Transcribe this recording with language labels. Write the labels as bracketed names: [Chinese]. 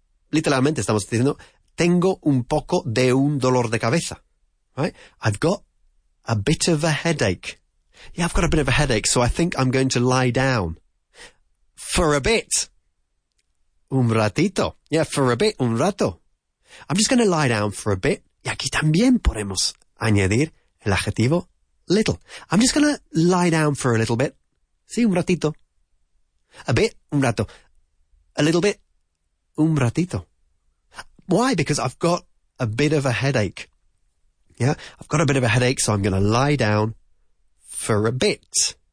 [Spanish] Literalmente estamos diciendo, tengo un poco de un dolor de cabeza. [English] Right? I've got a bit of a headache. Yeah, I've got a bit of a headache, so I think I'm going to lie down for a bit. [Spanish] Un ratito. [English] Yeah, for a bit, [Spanish] un rato. [English] I'm just going to lie down for a bit. [Spanish] Y aquí también podemos añadir el adjetivo little. [English] I'm just going to lie down for a little bit. [Spanish] Sí, un ratito. [English] A bit, [Spanish] un rato. [English] A little bit, [Spanish] un ratito. [English] Why? Because I've got a bit of a headache. Yeah, I've got a bit of a headache, so I'm going to lie down for a bit.